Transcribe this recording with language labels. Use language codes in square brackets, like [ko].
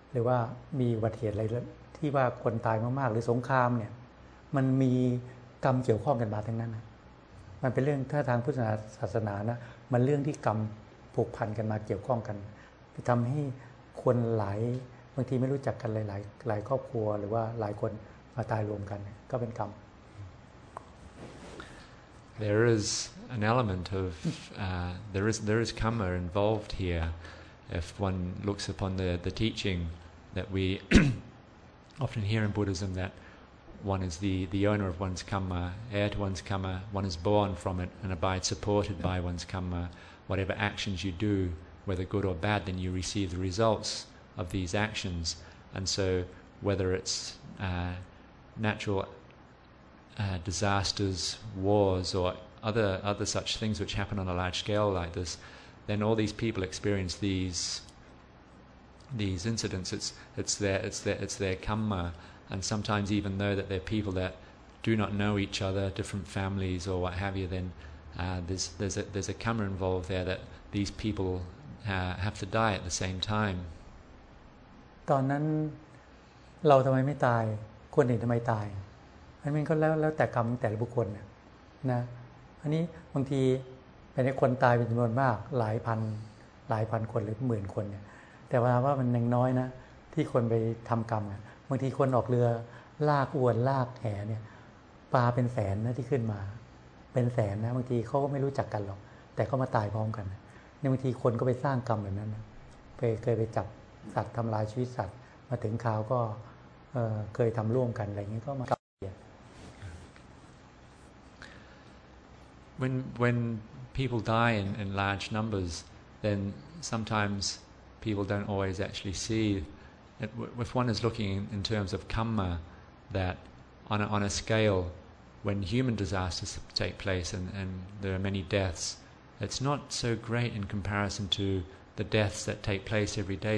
[th] ามีอุบัติเหตุอะไรที่ว่าคนตายมากๆหรือสงครามเนี่ยมันมีกรรมเกี่ยวข้องกันมาทั้งนั้นนะมันเป็นเรื่องถ้าทางพุทธศาสนานะมันเรื่องที่กรรมผูกพันกันมาเกี่ยวข้องกันไปทำให้คนหลายบางทีไม่รู้จักกันหลายครอบครัวหรือว่าหลายคนมาตายรวมกันก็เป็นกรรม [en] There is an element of there is karma involved here if one looks upon the teaching that we often hear in Buddhism that one is the owner of one's karma heir to one's karma one is born from it and abides supported by one's karma whatever actions you dodo. Whether good or bad, then you receive the results of these actions. And so, whether it's natural disasters, wars, or other such things which happen on a large scale like this, then all these people experience these incidents. It's their karma. And sometimes, even though that they're people that do not know each other, different families or what have you, then there's a karma involved there that these people. Have to die at the same time. [th] ตอนนั้นเราทำไมไม่ตายคนอื่นทำไมตายอันนี้ก็แล้วแต่กรรมแต่ละบุคคลนะอันนี้บางทีเป็นคนตายเป็นจำนวนมากหลายพันคนหรือหมื่นคนเนี่ยแต่ว่ามันยังน้อยนะที่คนไปทำกรรมบางทีคนออกเรือลากอวนลากแหเนี่ยปลาเป็นแสนนะที่ขึ้นมาเป็นแสนนะบางทีเขาก็ไม่รู้จักกันหรอกแต่ก็มาตายพร้อมกันในบางทีคนก็ไปสร้างกรรมแบบนั้นไปเคยไปจับสัตว์ทำลายชีวิตสัตว์มาถึงคราวก็เคยทำร่วมกันอะไรเงี้ยก็มากรรมเนี่ย [en] When people die in large numbers then sometimes people don't always actually see if one is looking in terms of karma that on a scale when human disasters take place and there are many deathsIt's not so great in comparison to the deaths that take place every day.